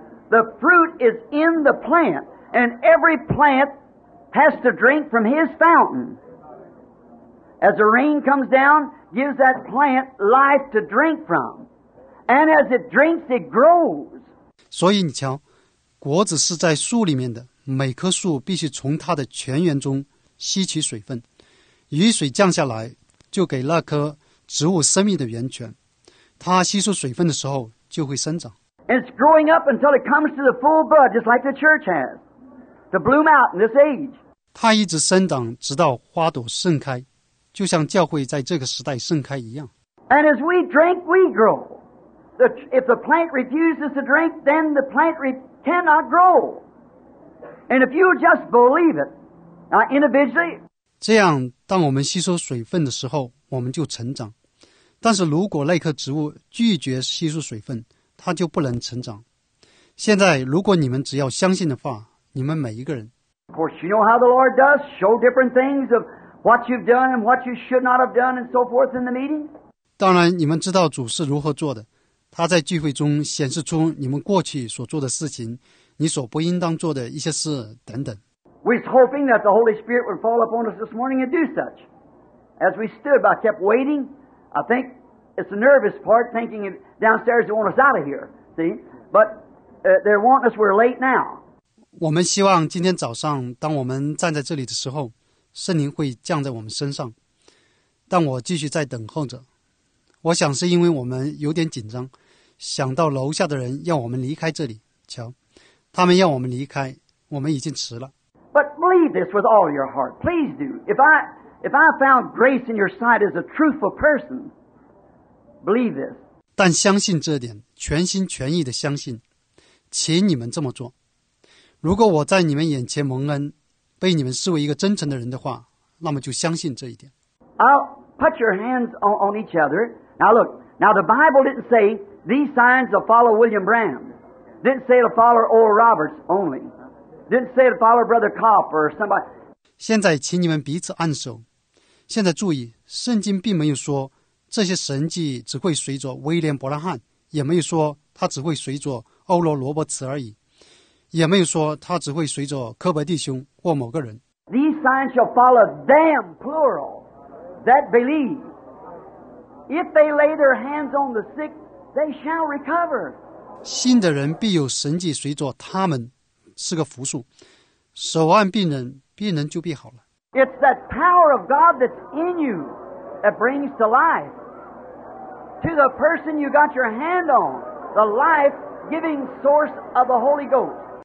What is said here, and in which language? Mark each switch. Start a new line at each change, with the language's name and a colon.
English: The fruit is in the plant, and every plant has to drink from his fountain. As the rain comes down, gives that plant life to drink from. And as it drinks, it grows.
Chinese: 所以你瞧，果子是在树里面的，每棵树必须从它的泉源中吸取水分。雨水降下来，就给那棵植物生命的源泉。它吸收水分的时候就会生长。
English: It's growing up until it comes to the full bud, just like the church has, to bloom out in this age.
Chinese: 它一直生长，直到花朵盛开，就像教会在这个时代盛开一样。
English: And as we drink, we grow. If the plant refuses to drink, then the plant cannot grow. And if you just believe it, now individually.
Chinese: 这样，当我们吸收水分的时候，我们就成长。但是如果那棵植物拒绝吸收水分，它就不能成长。现在如果你们只要相信的话，你们每一个人。
English: Of course, you know how the Lord does show different things of what you've done and what you should not have done and so forth in the meeting.
Chinese: 当然你们知道主是如何做的，他在聚会中显示出你们过去所做的事情，你所不应当做的一些事等等。
English: We were hoping that the Holy Spirit would fall upon us this morning and do such. As we stood, I kept waiting. I think it's the nervous part, thinking downstairs they want us out of here, see? But they're wanting us, we're late now.
Chinese: 我们希望今天早上当我们站在这里的时候，圣灵会降在我们身上。但我继续在等候着。我想是因为我们有点紧张，想到楼下的人要我们离开这里。瞧，他们要我们离开，我们已经迟了。
English: But believe this with all your heart. Please do. If I found grace in your sight as a truthful person, believe this.
Chinese: 但相信这点，全心全意地相信，请你们这么做。如果我在你们眼前蒙恩，被你们视为一个真诚的人的话，那么就相信这一点。
English: I'll put your hands on each other. Now look, now the Bible didn't say these signs will follow William Branham. Didn't say it'll follow Oral Roberts only. Didn't say it'll follow Brother Kopp or somebody.
Chinese: 现在请你们彼此按手。现在注意，圣经并没有说这些神迹只会随着威廉伯拉汉，也没有说他只会随着欧罗罗伯茨而已，也没有说他只会随着科伯弟兄或某个人。
English: These signs shall follow them, plural, that believe. If they lay their hands on the sick, they shall recover.
Chinese: 信的人必有神迹随着他们，是个复数。手按病人，病人就必好了。
English: It's that power of God that's in you that brings to life. To the person you got your hand on, the life-giving source of the Holy Ghost.